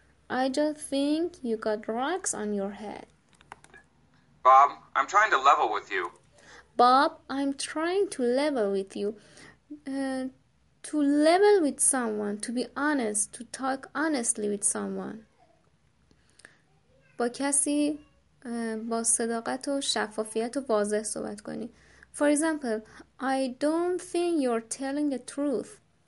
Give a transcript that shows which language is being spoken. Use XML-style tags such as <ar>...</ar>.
<en>I just think you got rocks on your head. Bob, I'm trying to level with you. Bob, I'm trying to level with you. To level with someone, to be honest, to talk honestly with someone.</en> <fa>با کسی با صداقت و شفافیت و واضح صحبت کنی.</fa> <en>For example, I don't think you're telling the truth.</en>